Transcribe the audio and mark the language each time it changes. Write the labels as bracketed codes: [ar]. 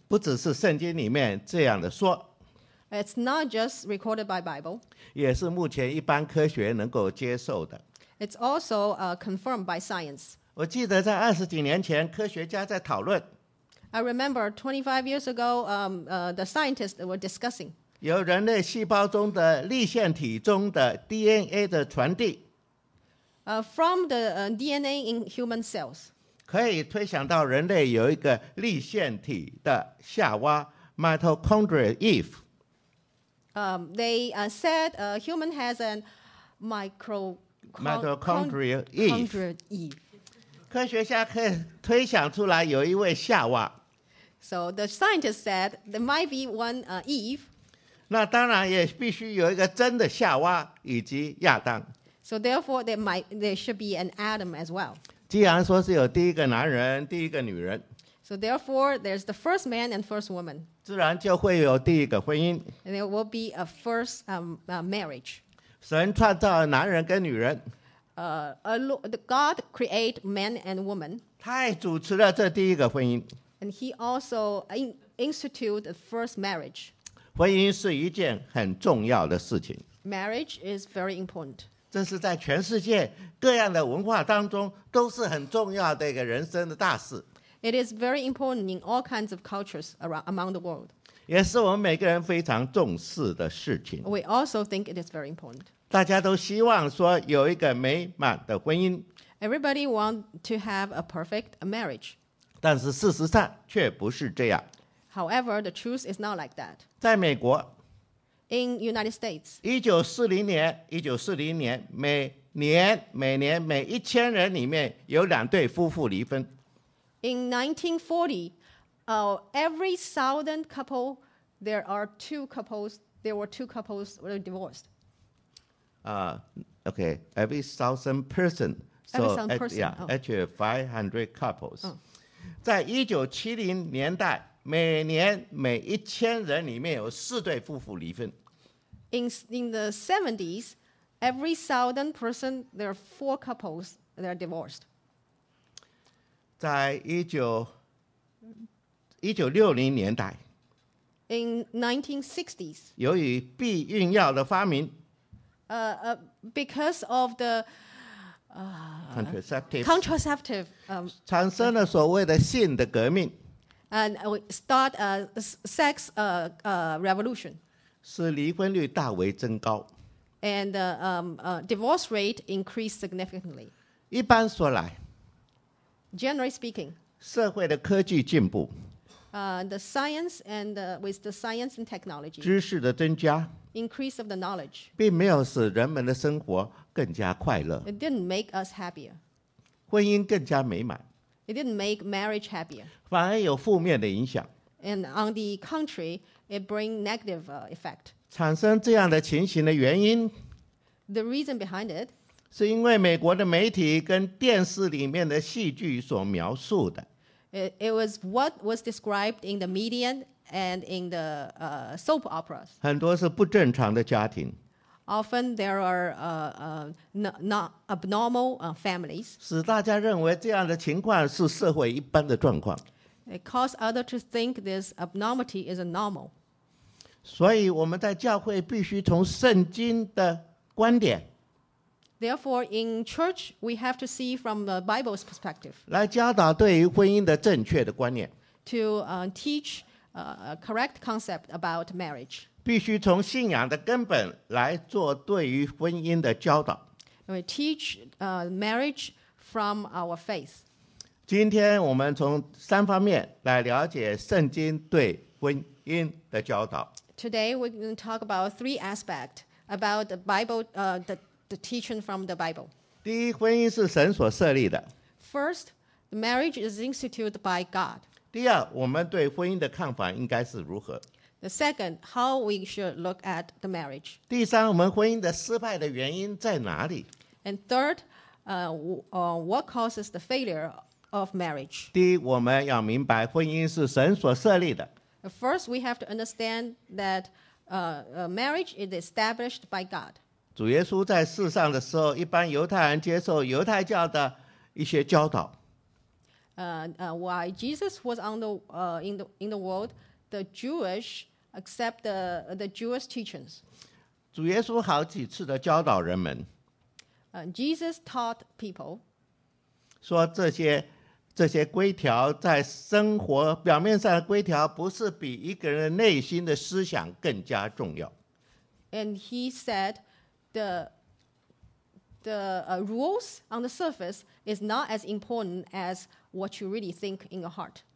[zh] 不只是圣经里面这样的说。 [en] It's not just recorded by Bible. [zh] 也是目前一般科学能够接受的。 [en] It's also confirmed by science. [zh] 我记得在二十几年前，科学家在讨论。 [en] I remember 25 years ago, the scientists were discussing. [zh] 由人类细胞中的粒线体中的 DNA 的传递 [en] from the DNA in human cells [zh] 可以推想到人类有一个粒线体的夏娃 mitochondria Eve [en] they said a human has a mitochondria Eve [zh] 科学家可以推想出来有一位夏娃 [en] so the scientist said there might be one Eve [zh] 那当然也必须有一个真的夏娃以及亚当。 [en] So therefore, there should be an Adam as well. [zh] 既然说是有第一个男人、第一个女人。 [en] So therefore, there's the first man and first woman. [zh] 自然就会有第一个婚姻。 [en] And there will be a first marriage. [zh] 神创造了男人跟女人。 [en] God created man and woman. [zh] 他也主持了这第一个婚姻。 [en] And he also instituted the first marriage. [zh] 婚姻是一件很重要的事情。 [en] Marriage is very important. [zh] 这是在全世界各样的文化当中都是很重要的一个人生的大事。 [en] It is very important in all kinds of cultures among the world. [zh] 也是我们每个人非常重视的事情。 [en] We also think it is very important. [zh] 大家都希望说有一个美满的婚姻。 [en] Everybody wants to have a perfect marriage. [zh] 但是事实上却不是这样。 [en] However, the truth is not like that. [zh] 在美国 [en] In United States. [zh] 1940年每年每一千人里面有两对夫妇离婚。 [en] In 1940, every 1,000 couple, there are two couples, there were two couples were divorced. Okay, every 1,000 person. So, every 1,000 person. Actually, 500 couples. [zh] 在1970年代每年每一千人里面有四对夫妇离婚。 [en] In the 70s, every 1,000 person, there are four couples that are divorced. [zh] 在1960年代。 [en] In 1960s. [zh] 由于避孕药的发明。 [en] Because of the contraceptive. [zh] 产生了所谓的性的革命。 [en] And we start a sex revolution. [zh] 是离婚率大为增高。 [en] And the divorce rate increased significantly. [zh] 一般说来。 [en] Generally speaking. [zh] 社会的科技进步。 [en] The science and with the science and technology. [zh] 知识的增加。 [en] Increase of the knowledge. [zh] 并没有使人们的生活更加快乐。 [en] It didn't make us happier. [zh] 婚姻更加美满。 [en] It didn't make marriage happier. [zh] 反而有负面的影响。 [en] And on the contrary, it bring negative effect. [zh] 产生这样的情形的原因。 [en] The reason behind it. [zh] 是因为美国的媒体跟电视里面的戏剧所描述的。 [en] It was what was described in the media and in the soap operas. [zh] 很多是不正常的家庭。 [en] Often there are not abnormal families. [zh] 使大家认为这样的情况是社会一般的状况。 [en] It causes others to think this abnormality is a normal. [zh] 所以我们在教会必须从圣经的观点。 [en] Therefore, in church, we have to see from the Bible's perspective. [zh] 来教导对于婚姻的正确的观念。 [en] To teach a correct concept about marriage. [zh] 必须从信仰的根本来做对于婚姻的教导。 [en] We teach marriage from our faith. [zh] 今天我们从三方面来了解圣经对婚姻的教导。 [en] Today, we're going to talk about three aspects about the Bible, the teaching from the Bible. [zh] 第一，婚姻是神所设立的。 [en] First, the marriage is instituted by God. [zh] 第二，我们对婚姻的看法应该是如何。 [en] The second, how we should look at the marriage. [zh] 第三，我们婚姻的失败的原因在哪里。 [en] And third, what causes the failure of marriage? [zh] 第一，我们要明白婚姻是神所设立的。 [en] First, we have to understand that marriage is established by God. [zh] 主耶稣在世上的时候，一般犹太人接受犹太教的一些教导。 [en] While Jesus was on the in the world, the Jewish accept the Jewish teachings. [zh] 主耶稣好几次的教导人们。 [en] Jesus taught people. [zh] 说这些规条在生活表面上的规条不是比一个人内心的思想更加重要。 [en] And he said the rules on the surface is not as important as what you really think in your heart.